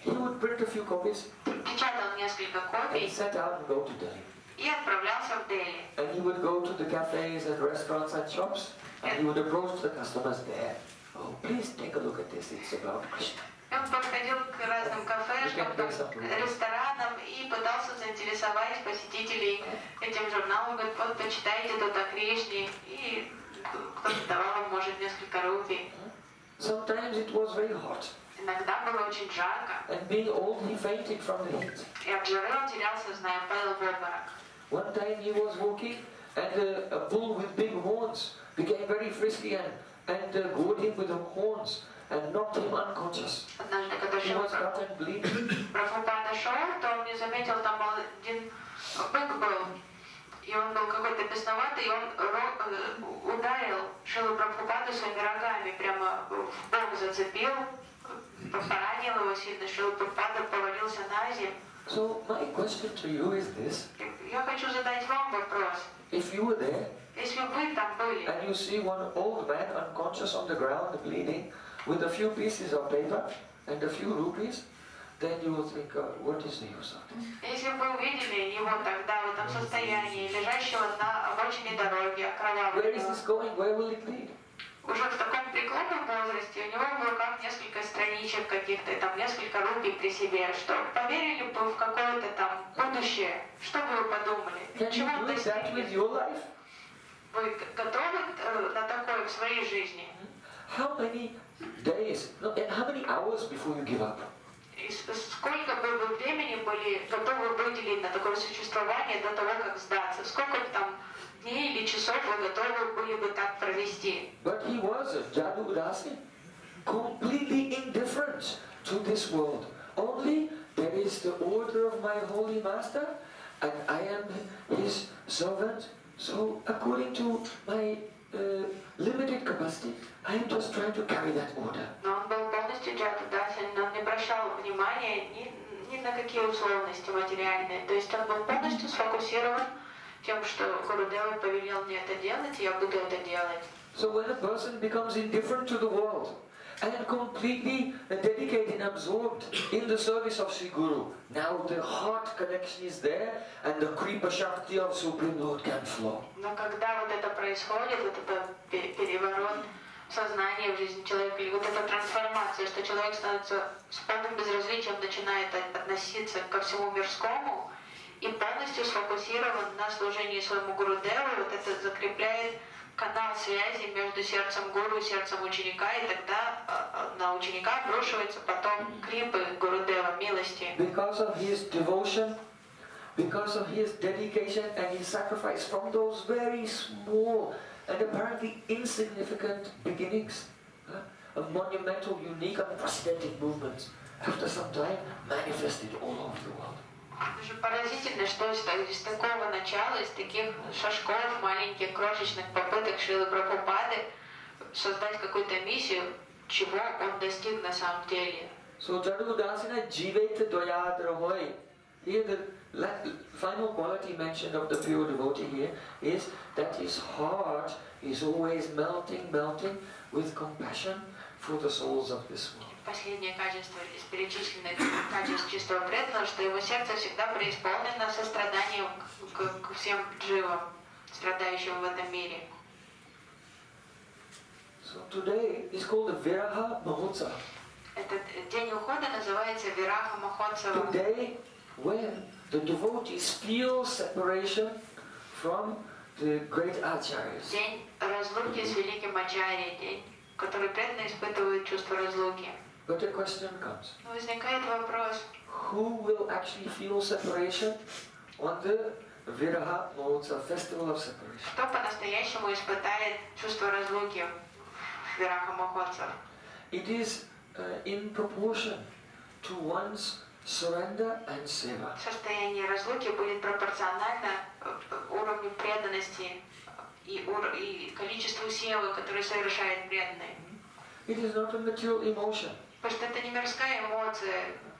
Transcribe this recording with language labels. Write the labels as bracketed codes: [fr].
[en] He would print a few copies. [ru] Печатал несколько копий. [en] And set out and go to Delhi. [ru] И отправлялся в Дели. [en] And he would go to the cafes and restaurants and shops, and he would approach the customers there. Oh, please take a look at this. It's about Krishna. [ru] Он подходил к разным кафешкам, ресторанам и пытался заинтересовать посетителей этим журналом. Говорит, вот почитайте тут о Кришне, и кто-то давал вам, может, несколько рупий. [en] Sometimes it was very hot. [ru] Иногда было очень жарко. [en] And being old, he fainted from the heat. [ru] И от жары он терялся, зная, падал в обморок. [en] One time he was walking, and a bull with big horns became very frisky and gored him with the horns. And knocked him unconscious. [ru] Однажды, когда [en] he was cut and bleeding. [ru] Прабхупада шел, то он не заметил, там был один бык был, и он был какой-то бесноватый, и он ударил Шрилу Прабхупаду своими рогами, прямо в бок зацепил, поранил его сильно, Шрилу Прабхупада повалился на землю. [en] So my question to you is this. [ru] Я хочу задать вам вопрос. [en] If you were there, [ru] если бы вы там были, [en] and you see one old man unconscious on the ground bleeding, with a few pieces of paper, and a few rupees, then you will think, what is the use of it? [ru] Если бы вы увидели его тогда в этом состоянии, лежащего на обочине дороги, окровавленного. [en] Where is this going? Where will it lead? [ru] Уже в таком преклонном возрасте у него в руках несколько страничек каких-то, там несколько рупий при себе, что поверили бы в какое-то там будущее, что бы вы подумали? [en] Can you do that with your life? [ru] Вы готовы на такое в своей жизни? [en] How many days, no, and how many hours before you give up? [ru] Сколько бы вы времени были готовы выделить на такое существование до того, как сдаться? Сколько там дней или часов вы готовы были бы так провести? [en] But he was, Jadu Udasi, completely indifferent to this world. Only there is the order of my holy master, and I am his servant. So according to my limited capacity, I am just trying to carry that order. [ru] Но он был полностью джатудаси, он не обращал внимания ни на какие условности материальные. То есть он был полностью сфокусирован тем, что Гурудева повелел мне это делать, и я буду это делать. [en] So when a person becomes indifferent to the world and completely dedicated and absorbed in the service of Sri Guru, now the heart connection is there and the Kripa Shakti of Supreme Lord can flow. [ru] Но когда вот это происходит, вот это переворот сознания в жизни человека, или вот эта трансформация, что человек становится с полным безразличием, начинает относиться ко всему мирскому и полностью сфокусирован на служении своему Гурудеву, вот это закрепляет канал связи между сердцем Гуру и сердцем ученика, и тогда на ученика обрушивается потом крипы Гурудева, милости. [en] Because of his devotion, because of his dedication and his sacrifice from those very small and apparently insignificant beginnings of monumental, unique, unprecedented movements, after some time manifested all over the world. [ru] Это же поразительно, что из такого начала, из таких шажков, маленьких, крошечных попыток Шрилы Прабхупады создать какую-то миссию, чего он достиг на самом деле. [en] So, Jadu Udasina Jivete Doyadrahoi. Here the final quality mentioned of the pure devotee here is that his heart is always melting, melting with compassion for the souls of this world. [ru] Последнее качество из перечисленных качеств чистого преданного, что его сердце всегда преисполнено состраданием к всем дживам, страдающим в этом мире. [en] So today is called the Viraha Mahotsav. [ru] Этот день ухода называется Вираха Махотсава. [en] Today, when the devotees feel separation from the great acharyas. [ru] День разлуки с великим ачарьей, день, который преданные испытывают чувство разлуки. [en] But the question comes. [ru] Возникает вопрос. [en] Who will actually feel separation on the Viraha Mahotsav, festival of separation? [ru] Кто по-настоящему испытает чувство разлуки Вираха Махотсав? [en] It is in proportion to one's surrender and seva. [ru] Состояние разлуки будет пропорционально уровню преданности и количеству севы, которое совершает преданный. [en] It is not a material emotion. [ru] Потому что это не мирская эмоция.